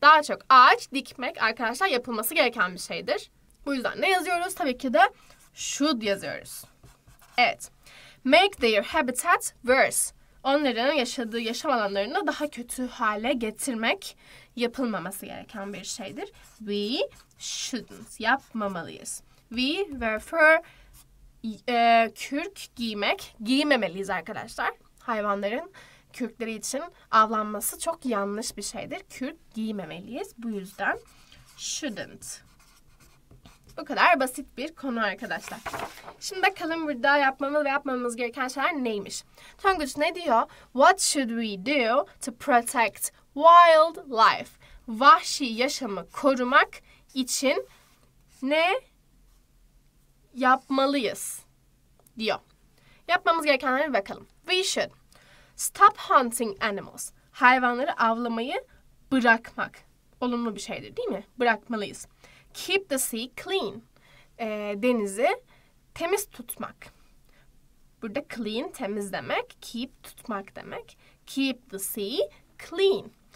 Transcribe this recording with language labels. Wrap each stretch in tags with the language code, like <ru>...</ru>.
<tr>Daha çok ağaç dikmek arkadaşlar yapılması gereken bir şeydir. Bu yüzden ne yazıyoruz? Tabii ki de should yazıyoruz. Evet.</tr> <en>Make their habitat worse.</en> <tr>Onların yaşadığı yaşam alanlarını daha kötü hale getirmek yapılmaması gereken bir şeydir.</tr> <en>We shouldn't.</en> <tr>Yapmamalıyız.</tr> <en>We prefer</en> <tr>kürk giymek. Giymemeliyiz arkadaşlar. Hayvanların kürkleri için avlanması çok yanlış bir şeydir. Kürk giymemeliyiz. Bu yüzden shouldn't. Bu kadar basit bir konu arkadaşlar. Şimdi bakalım burada yapmamız ve yapmamız gereken şeyler neymiş? Tonguç ne diyor?</tr> <en>What should we do to protect wildlife?</en> <tr>Vahşi yaşamı korumak için ne yapmalıyız? Diyor. Yapmamız gerekenlere bakalım.</tr> <en>We should stop hunting animals.</en> <tr>Hayvanları avlamayı bırakmak. Olumlu bir şeydir, değil mi? Bırakmalıyız.</tr> <en>Keep the sea clean.</en> <tr>Denizi temiz tutmak. Burada clean temiz demek. Keep tutmak demek.</tr> <en>Keep the sea clean.</en>